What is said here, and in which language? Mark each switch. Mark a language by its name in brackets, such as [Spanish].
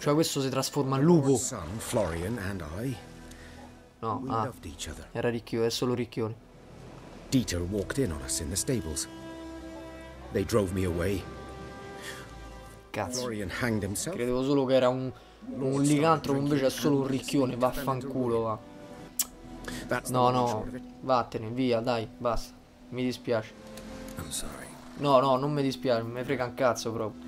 [Italian] Cioè questo si trasforma in lupo. [English] Florian and I. [Italian] No, ah. Era ricchio, è solo ricchione. [English] Dieter walked in on us in the stables. They drove me away. [Italian] Cazzo. Credevo solo che era un licantropo, invece è solo un ricchione, vaffanculo, va. No, no, vattene, via, dai, basta. Mi dispiace. No, no, non mi dispiace, mi frega un cazzo proprio.